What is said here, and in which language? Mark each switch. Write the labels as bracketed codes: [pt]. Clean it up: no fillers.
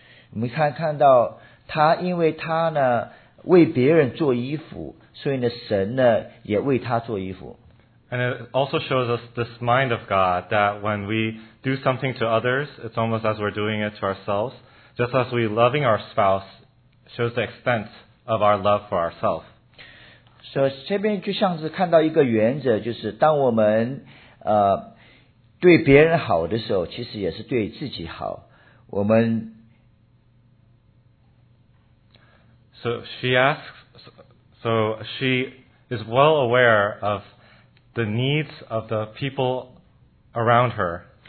[zh] 我们看到她因为她呢。为别人做衣服，所以呢，神呢也为他做衣服。 [en] And it also shows us this mind of God, that when we do something to others, it's almost as we're doing it to ourselves. Just as we loving our spouse shows the extent of our love for ourselves. [zh] 所以这边就像是看到一个原则，就是当我们对别人好的时候，其实也是对自己好。我们。 [en] So she asks. So she is well aware of the needs of the people around her.